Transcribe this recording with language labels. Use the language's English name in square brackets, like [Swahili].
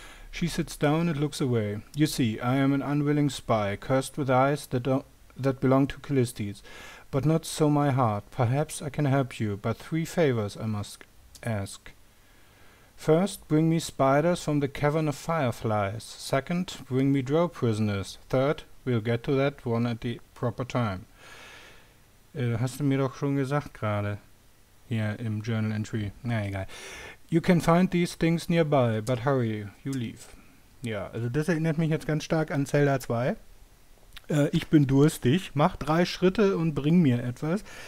[English] She sits down and looks away. You see, I am an unwilling spy, cursed with eyes that belong to Callistis. But not so my heart. Perhaps I can help you, but three favors I must ask. First, bring me spiders from the Cavern of Fireflies. Second, bring me drow prisoners. Third, we'll get to that one at the proper time. [German] Hast du mir doch schon gesagt gerade, hier im Journal Entry. Na egal. [English] You can find these things nearby, but hurry, you leave. [German] Ja, also das erinnert mich jetzt ganz stark an Zelda 2. Ich bin durstig, mach drei Schritte und bring mir etwas.